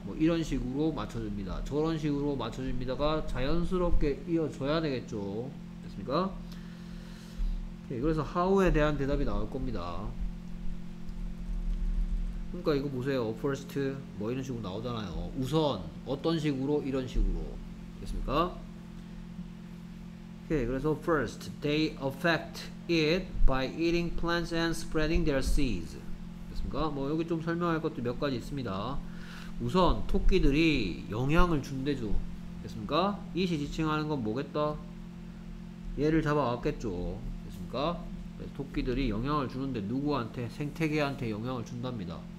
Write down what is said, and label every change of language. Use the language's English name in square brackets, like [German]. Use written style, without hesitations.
[Korean] 뭐 이런 식으로 맞춰줍니다. 저런 식으로 맞춰줍니다가 자연스럽게 이어져야 되겠죠. 됐습니까? 오케이. 그래서 how에 대한 대답이 나올 겁니다. 그러니까 이거 보세요. first 뭐 이런 식으로 나오잖아요. 우선 어떤 식으로 이런 식으로 됐습니까? 오케이. [English] 그래서 first they affect it by eating plants and spreading their seeds. [Korean] 됐습니까? 뭐 여기 좀 설명할 것도 몇 가지 있습니다. 우선 토끼들이 영향을 준대죠. 됐습니까? 이시 지칭하는 건 뭐겠다? 얘를 잡아왔겠죠. 됐습니까? 토끼들이 영향을 주는데 누구한테? 생태계한테 영향을 준답니다.